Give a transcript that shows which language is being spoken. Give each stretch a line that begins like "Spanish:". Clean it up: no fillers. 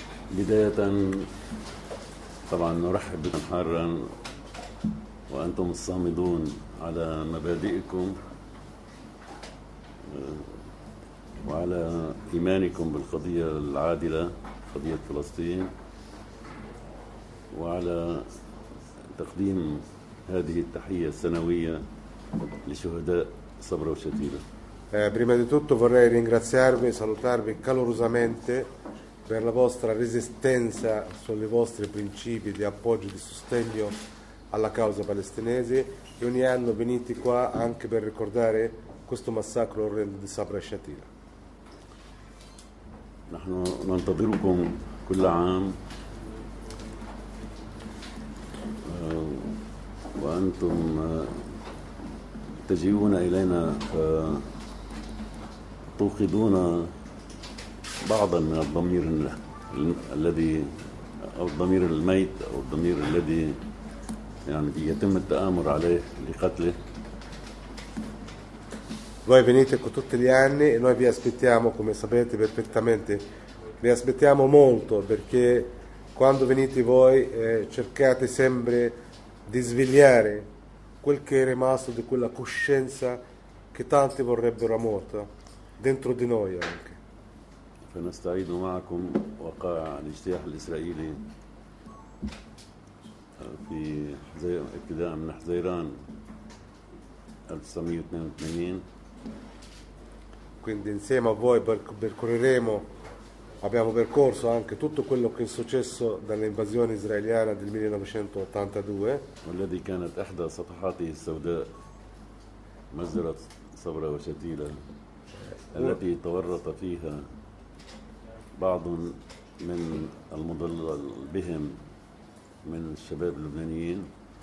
Arabic: بداية طبعا نرحب بكم حارا وأنتم الصامدون على مبادئكم وعلى إيمانكم بالقضية العادلة قضية فلسطين وعلى تقديم هذه التحية السنوية لشهداء صبرا وشتيلة.
Italian: Prima di tutto vorrei ringraziarvi e salutarvi calorosamente per la vostra resistenza sui vostri principi di appoggio e di sostegno alla causa palestinese e ogni anno venite qua anche per ricordare questo massacro orrendo di Sabra e Shatila.
Arabic: Nahnu nantadirukum kull 'am wa antum taji'una ilayna tuqiduna بعضا من الضمير الذي الضمير الميت او الضمير الذي يعني يتم التآمر عليه لقتله.
Italian: Voi venite con tutti gli anni e noi vi aspettiamo, come sapete perfettamente, vi aspettiamo molto perché quando venite voi cercate sempre di svegliare quel che è rimasto di quella coscienza che tanti vorrebbero morta dentro di noi anche.
Arabic: فنستعيد معكم وقائع الاجتياح الإسرائيلي في ابتداء من حزيران 1982.
Italian: Quindi insieme a voi percorreremo, abbiamo percorso anche tutto quello che è successo dall'invasione israeliana del 1982.
Arabic: والذي كانت إحدى صفحاته السوداء مزرعة صبرا وشتيلة التي تورط فيها بعض من المضلل بهم من الشباب اللبنانيين.